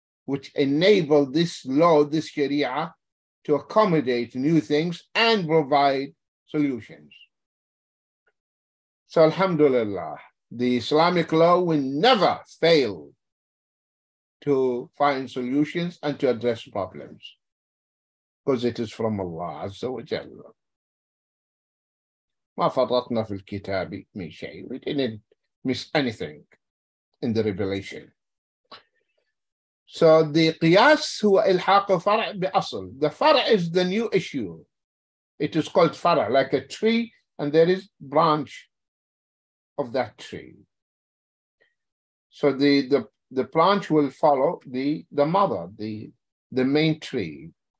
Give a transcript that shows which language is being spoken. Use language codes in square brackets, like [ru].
[en] which enabled this law, this Sharia, to accommodate new things and provide solutions. So alhamdulillah, the Islamic law will never fail to find solutions and to address problems, because it is from Allah Azza wa Jalla. [ar] ما فرطنا في الكتاب من شيء. [en] We didn't miss anything in the revelation. So the qiyas [ar] هو إلحاق فرع بأصل. [en] The فرع is the new issue. It is called فرع, like a tree, and there is branch of that tree. So the branch will follow the mother, the main tree.